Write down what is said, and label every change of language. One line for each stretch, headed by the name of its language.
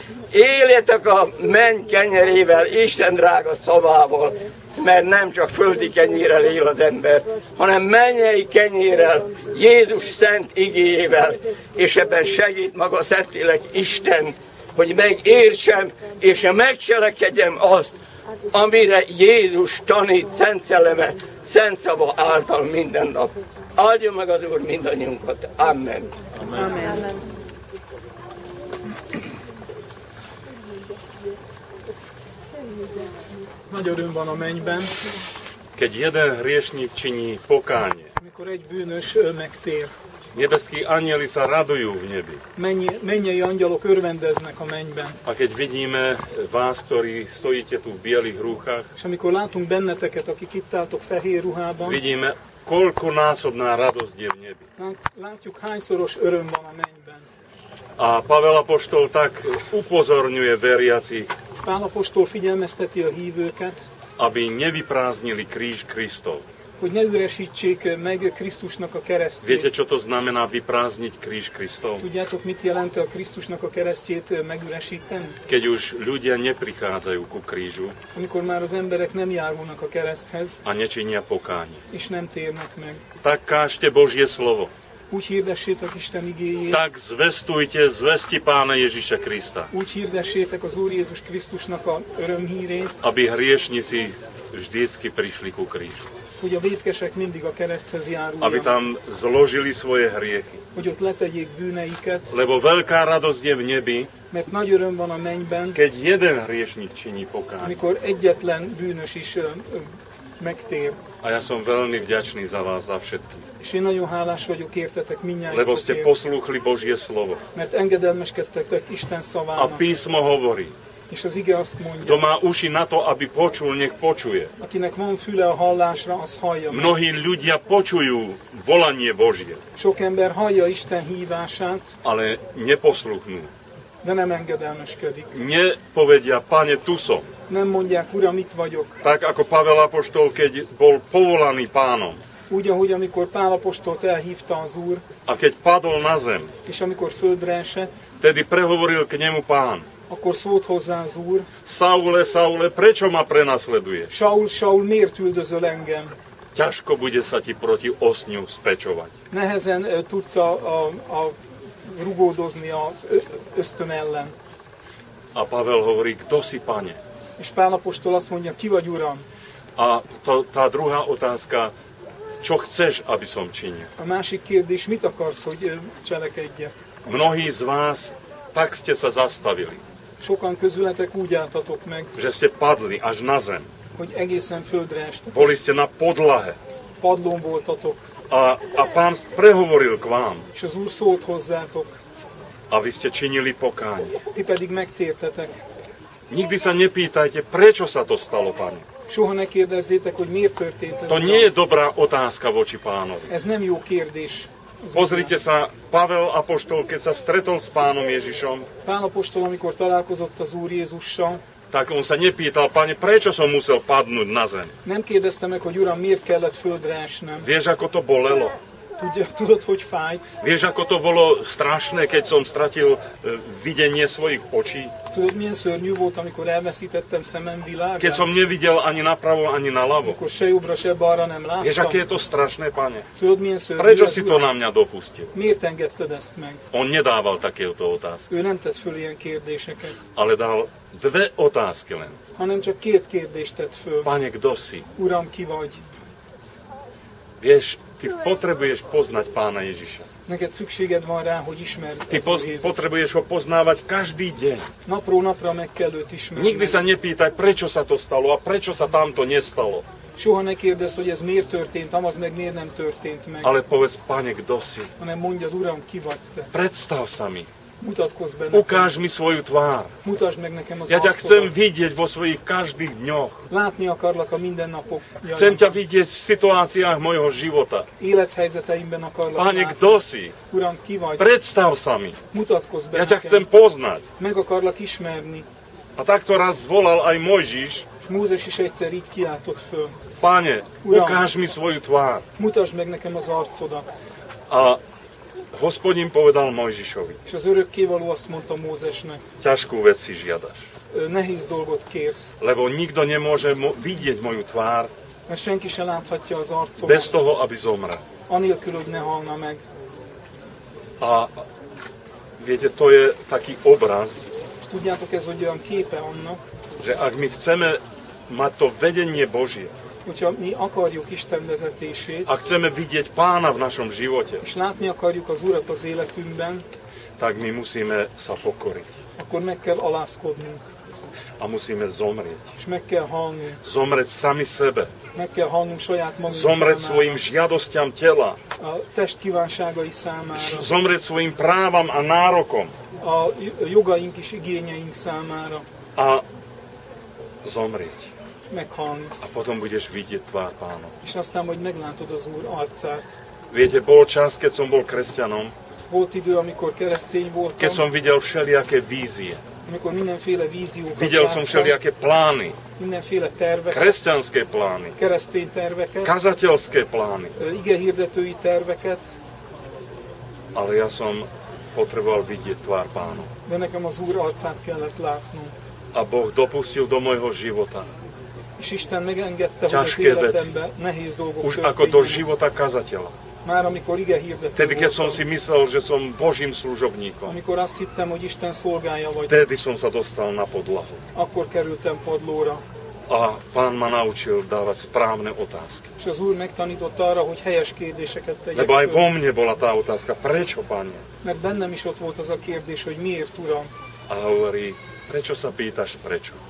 Hungarian: Éljetek a menny kenyerével, Isten drága szavával, mert nem csak földi kenyérrel él az ember, hanem mennyei kenyérrel, Jézus szent igéjével, és ebben segít maga Szentlélek Isten, hogy megértsem, és megcselekedjem azt, amire Jézus tanít szent szelleme, szent szava által minden nap. Áldjon meg az Úr mindannyiunkat. Amen. Amen. Amen. Nagy öröm van a mennyben.
Slovak: Keď jeden hriešnik činí pokánie.
Hungarian: Mikor egy bűnös megtér.
Slovak: Nebeskí anjeli sa radujú v nebi.
Hungarian: Mennyei angyalok örvendeznek a mennyben.
Slovak: A keď vidíme vás, ktorí stojíte tu v bielých rúchách.
Hungarian: És amikor látunk benneteket, akik itt álltok fehér ruhában.
Slovak: Vidíme, koľko násobná radosť je v nebi.
Hungarian: Látjuk, hányszoros öröm van a mennyben.
Slovak: A Pavel apoštol tak upozorňuje veriacich.
Hungarian: Pál apoštol figyelmezteti a hívőket,
Slovak: aby nevypráznili kríž Kristov.
Hungarian: Hogy ne üresítsék meg Krisztusnak a keresztjét.
Slovak: Viete, čo to znamená vyprázdniť kríž Kristov?
Hungarian: Tudjátok, mit jelent a Krisztusnak a keresztjét megüresíteni?
Slovak: Keď už ľudia neprichádzajú ku krížu.
Hungarian: Amikor már az emberek nem járulnak a kereszthez.
Slovak: A nečinia pokáni.
Hungarian: És nem térnek meg.
Slovak: Tak kážte Božie slovo.
Hungarian: Úgy hirdessétek Isten igéjét.
Slovak: Tak zvestujte zvesti Pána Ježiša Krista.
Hungarian: Úgy hirdessétek az Úr Jézus Krisztusnak a örömhírét.
Slovak: Aby hriešnici vždycky prišli ku krížu.
Hungarian: Hogy a vétkesek mindig a kereszthez járuljanak.
Slovak: Aby tam zložili svoje hriechy.
Hungarian: Hogy ott letegyék bűneiket.
Slovak: Lebo veľká radosť je v nebi.
Hungarian: Mert nagy öröm van a mennyben.
Slovak: Keď jeden hriešnik činí pokánie.
Hungarian: Amikor egyetlen bűnös is megtér.
Slovak: A ja som veľmi vďačný za vás, za všetkých.
Hungarian: És én nagyon hálás vagyok, értetek mindjárt.
Slovak: Lebo ste posluchli Božie slovo.
Hungarian: Mert engedelmeskedtek Isten szavának.
Slovak: A písmo hovorí.
Hungarian: És az ige azt mondja.
Slovak: Kto má uši na to, aby počul, nech počuje.
Hungarian: Akinek van füle a hallásra, az hallja.
Slovak: Mnohí ľudia počujú volanie Božie.
Hungarian: Sok ember hallja Isten hívását.
Slovak: Ale neposluchnú.
Hungarian: De nem engedelmeskedik.
Slovak: Nepovedia, Pane, tu som.
Hungarian: Nem mondják, Uram, itt vagyok.
Slovak: Tak ako Pavel apoštol, keď bol povolaný Pánom.
Hungarian: Úgy, ahogy amikor Pál apostolt elhívta az Úr,
Slovak: a keď padol na zem,
Hungarian: és amikor földre esett,
Slovak: tedy prehovoril k nemu Pán,
Hungarian: akkor szólt hozzá az Úr,
Slovak: Saule, Saule, prečo ma prenasleduje?
Hungarian: Saul, Saul, miért üldözöl engem?
Slovak: Ťažko bude sa ti proti osňu spečovať.
Hungarian: Nehezen tudsz a rugódozni a ösztön ellen.
Slovak: A Pavel hovorí, kto si, Pane?
Hungarian: És Pál apostol azt mondja, ki vagy, Uram?
Slovak: A to, tá druhá otázka, čo chceš, aby som činil?
Hungarian: A másik kérdés, mit akarsz, hogy cselekedjek?
Slovak: Mnohí z vás tak ste sa zastavili.
Hungarian: Sokan közületek úgy álltatok meg.
Slovak: Že ste padli až na zem.
Hungarian: Hogy egészen földre estetek.
Slovak: Boli ste na podlahe.
Hungarian: Padlón voltatok.
Slovak: A Pán prehovoril k vám.
Hungarian: És az Úr szólt hozzátok.
Slovak: A vy ste činili pokánie.
Hungarian: Ti pedig megtértetek.
Slovak: Nikdy sa nepýtajte, prečo sa to stalo, Pane.
Hungarian: Soha ne kérdezzétek, hogy miért történt ez.
Slovak: To nie je dobrá otázka voči Pánovi.
Hungarian: Ez nem jó kérdés.
Slovak: Pozrite sa, Pavel apoštol, keď sa stretol s Pánom Ježišom.
Hungarian: Pán apoštol, amikor találkozott az Úr Jézussal.
Slovak: Tak on sa nepýtal, Pane, prečo som musel padnúť na zem.
Hungarian: Nem kérdezte meg, hogy Uram, miért kellett földre esnem.
Slovak: Vieš, ako to bolelo?
Hungarian: Tudod, hogy fáj?
Slovak: Vieš, ako to bolo strašné, keď som stratil videnie svojich očí?
Hungarian: Tudod, milyen szörnyű volt, amikor elveszítettem szemem világát?
Slovak: Keď som nevidel ani na pravo, ani na ľavo.
Hungarian: Akkor se jobbra, se balra nem láttam.
Slovak: Vieš, aké je to strašné, Pane?
Hungarian: Tudod, milyen szörnyű?
Slovak: Prečo si to na mňa dopustil?
Hungarian: Miért engedted ezt meg?
Slovak: On nedával takéto otázky.
Hungarian: Ő nem tett föl ilyen kérdéseket.
Slovak: Ale dal dve otázky len.
Hungarian: Hanem csak két kérdést tett föl.
Slovak: Pane, kdo si?
Hungarian: Uram, ki vagy?
Slovak: Vieš, ty potrebuješ poznať Pána Ježiša.
Hungarian: Neked szükséged van rá, hogy ismerd.
Slovak: Ty potrebuješ ho poznávať každý deň.
Hungarian: Napról napra meg kell őt ismerni.
Slovak: Nikdy sa nepýtaj, prečo sa to stalo a prečo sa tamto nestalo.
Hungarian: Soha ne kérdezz, hogy ez miért történt, amaz meg miért nem történt meg.
Slovak: Ale povedz, Pane, kdo si?
Hungarian: Hanem mondjad, Uram, ki vagy te?
Slovak: Predstav sa mi.
Hungarian: Mutatkozz be nekem.
Slovak: Ukáž mi svoju tvár.
Hungarian: Mutasd meg nekem az arcodat.
Slovak: Ja ťa chcem vidieť vo svojich každých dňoch.
Hungarian: Látni akarlak a mindennapok.
Slovak: Chcem ťa vidieť v situáciách mojho života.
Hungarian: Élethelyzeteimben akarlak látni.
Slovak: Pane, kdo si?
Hungarian: Uram, ki vagy?
Slovak: Predstav sa mi.
Hungarian: Mutatkozz be nekem.
Slovak: Ja ťa chcem poznať.
Hungarian: Meg akarlak ismerni.
Slovak: A takto raz volal aj Mojžiš.
Hungarian: Mózes is egyszer így kiáltott föl.
Slovak: Pane, ukáž mi svoju tvár.
Hungarian: Mutasd meg nekem az arcodat.
Slovak: A Hospodin povedal Mojžišovi.
Hungarian: És az örökkévaló azt mondta Mózesnek.
Slovak: Ťažkú vec si žiadaš.
Hungarian: Nehéz dolgot kérsz.
Slovak: Lebo nikto nemôže vidieť moju tvár.
Hungarian: Mert senki se láthatja az arcomat.
Slovak: Bez toho, aby zomra.
Hungarian: Anélkül, hogy ne halna meg.
Slovak: A viete, to je taký obraz.
Hungarian: Tudjátok, ez vagy olyan képe annak.
Slovak: Že ak my chceme mať to vedenie Božie.
Hungarian: Hogyha mi akarjuk Isten vezetését.
Slovak: A chceme vidieť Pána v našom živote.
Hungarian: És látni akarjuk az Urat az életünkben.
Slovak: Tak my musíme sa pokoriť.
Hungarian: Akkor meg kell alázkodnunk.
Slovak: A musíme zomrieť.
Hungarian: És meg kell halni.
Slovak: Zomrieť sami sebe.
Hungarian: Meg kell halnunk saját magunk számára.
Slovak: Zomrieť svojim žiadostiam tela.
Hungarian: A test kívánságai számára.
Slovak: Zomrieť svojim právam a nárokom.
Hungarian: A jogaink és igényeink számára.
Slovak: A zomrieť.
Hungarian: Meghalni.
Slovak: A potom budeš vidieť tvár Pána.
Hungarian: És aztán majd meglátod az Úr arcát.
Slovak: Viete, bol čas, keď som bol kresťanom.
Hungarian: Volt idő, amikor keresztény voltam.
Slovak: Keď som videl všelijaké vízie.
Hungarian: Amikor mindenféle víziókat
Slovak: videl som všelijaké plány.
Hungarian: Mindenféle terveket.
Slovak: Kresťanské plány.
Hungarian: Keresztény terveket.
Slovak: Kazateľské plány.
Hungarian: Ige hirdetői terveket.
Slovak: Ale ja som potreboval vidieť tvár Pána.
Hungarian: De nekem az Úr arcát kellett látnom.
Slovak: A Boh dopustil do mojho života.
Hungarian: És Isten megengedte, hogy az életembe nehéz dolgok
Slovak: Už ako do života kazateľa.
Hungarian: Már amikor ige hirdető
Slovak: Tedy, keď som si myslel, že som Božím služobníkom.
Hungarian: Amikor azt hittem, hogy Isten szolgálja vagy.
Slovak: Tedy som sa dostal na podlahu.
Hungarian: Akkor kerültem podlóra.
Slovak: A Pán ma naučil dávať správne otázky.
Hungarian: És az Úr megtanított arra, hogy helyes kérdéseket tegyek.
Slovak: Lebo aj vo mne bola tá otázka. Prečo, Pane?
Hungarian: Mert bennem is ott volt az a kérdés, hogy miért, Uram?
Slovak: A hovorí, prečo sa pýtaš, prečo?